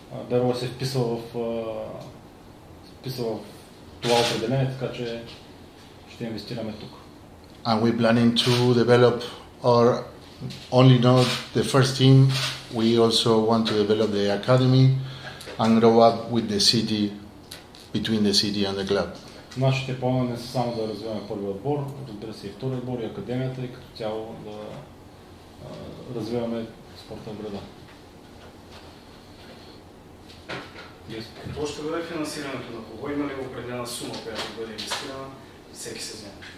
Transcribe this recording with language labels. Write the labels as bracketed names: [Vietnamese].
[Bulgarian] Берое се вписал в това определение, така че ще инвестираме тук. [English] And we're planning to develop or only not the first team, we also want to develop the academy and grow up with the city, between the city and the club. [Bulgarian] Нашите планове не са само да развиваме първият отбор, разбира се и вторият отбор и академията и като цяло да развиваме спорта в града. Какво ще бъде финансирането на кого? Има ли определена сума, която бъде инвестирана всеки сезон?